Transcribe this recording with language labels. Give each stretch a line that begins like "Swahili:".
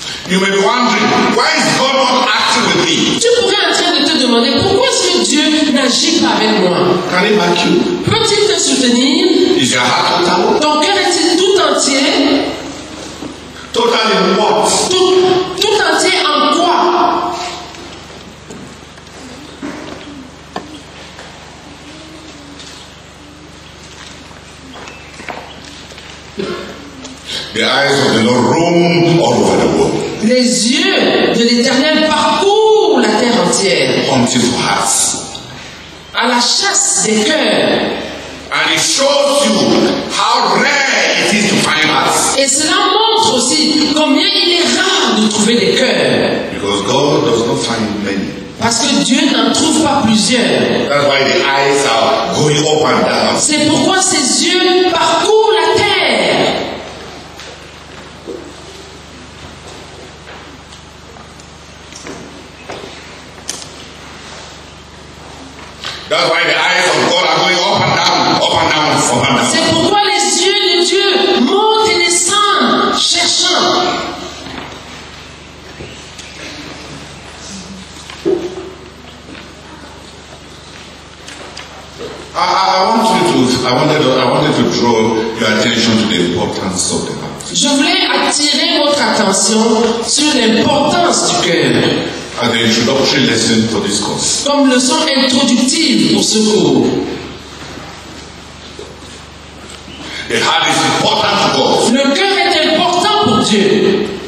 English: You may be wondering, why is God not acting with me?
French: Tu pourrais en train de te demander pourquoi est-ce que Dieu n'agit pas avec moi?
English: Can he back you?
French: Peut-il te soutenir?
English: Is your heart total?
French: Ton cœur est-il tout entier?
English: Total in what?
French: Tout entier en quoi?
English: The eyes of the Lord roam all over the world.
French: Les yeux de l'Éternel parcourent la terre entière.
English: Hunting for hearts.
French: À la chasse des cœurs.
English: And it shows you how rare it is to find hearts.
French: Et cela montre aussi combien il est rare de trouver des cœurs.
English: Because God does not find many.
French: Parce que Dieu n'en trouve pas plusieurs.
English: That's why the eyes are going up and down.
French: C'est pourquoi ses yeux parcourent la terre.
English: Thank you. That's why the eyes of God are going up and down, up and down, up and down.
French: C'est pourquoi les yeux de Dieu montent et descendent, cherchant.
English: I wanted to draw your attention to the importance of the heart.
French: Je voulais attirer votre attention sur l'importance du cœur.
English: As an introductory lesson for this course.
French: Comme leçon introductive pour ce cours.
English: The heart is important to God.
French: Le cœur est important pour Dieu.